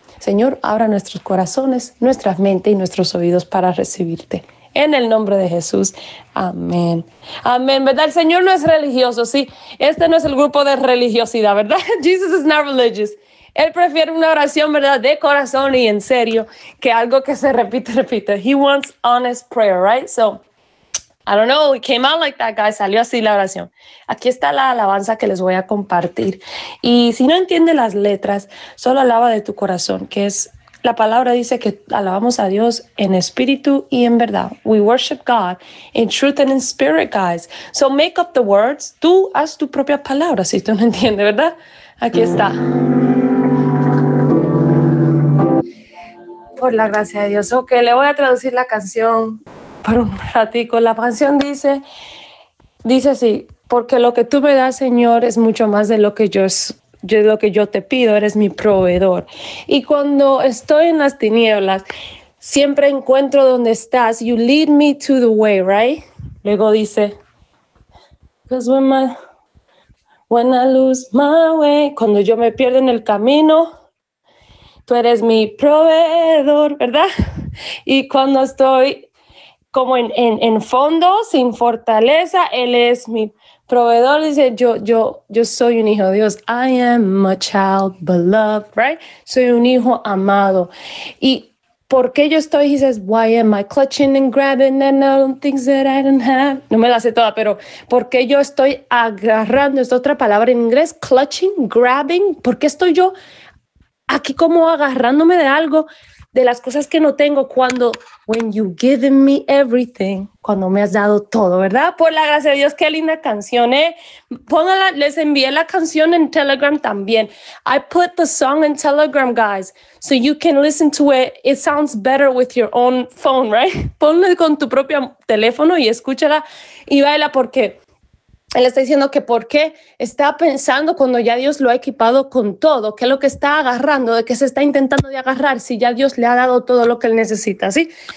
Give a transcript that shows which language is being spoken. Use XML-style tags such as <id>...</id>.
<es>Señor, abra nuestros corazones, nuestra mente y nuestros oídos para recibirte. En el nombre de Jesús. Amén. Amén. ¿Verdad? El Señor no es religioso, ¿sí? Este no es el grupo de religiosidad, ¿verdad? Jesus is not religious. Él prefiere una oración, ¿verdad?, de corazón y en serio, que algo que se repite.</es> <en>He wants honest prayer, right? So, I don't know, it came out like that, guys.</en> <es>Salió así la oración. Aquí está la alabanza que les voy a compartir. Y si no entiende las letras, solo alaba de tu corazón, que es, la palabra dice que alabamos a Dios en espíritu y en verdad.</es> <en>We worship God in truth and in spirit, guys. So, make up the words.</en> <es>Tú haz tu propia palabra, si tú no entiendes, ¿verdad? Aquí está. Por la gracia de Dios. Ok, le voy a traducir la canción por un ratico. La canción dice así, porque lo que tú me das, Señor, es mucho más de lo que yo te pido, eres mi proveedor. Y cuando estoy en las tinieblas, siempre encuentro donde estás. You lead me to the way, right? Luego dice, because when I lose my way, cuando yo me pierdo en el camino, tú eres mi proveedor, ¿verdad? Y cuando estoy como en fondo, sin fortaleza, Él es mi proveedor. Dice, yo soy un hijo de Dios. I am a child beloved, right? Soy un hijo amado.</es> <en>Y ¿por qué yo estoy? He says, why am I clutching and grabbing and all the things that I don't have?</en> <es>No me la sé toda, pero ¿por qué yo estoy agarrando? Es otra palabra en inglés, clutching, grabbing. ¿Por qué estoy yo aquí como agarrándome de algo, de las cosas que no tengo, cuando, when you've given me everything, cuando me has dado todo, ¿verdad? Por la gracia de Dios, qué linda canción, Póngala, les envié la canción en Telegram también.</es> <en>I put the song in Telegram, guys, so you can listen to it. It sounds better with your own phone, right?</en> <es>Ponle con tu propio teléfono y escúchala y baila, porque Él está diciendo que por qué está pensando cuando ya Dios lo ha equipado con todo, qué es lo que está agarrando, de qué se está intentando de agarrar, si ya Dios le ha dado todo lo que Él necesita, ¿sí?</es>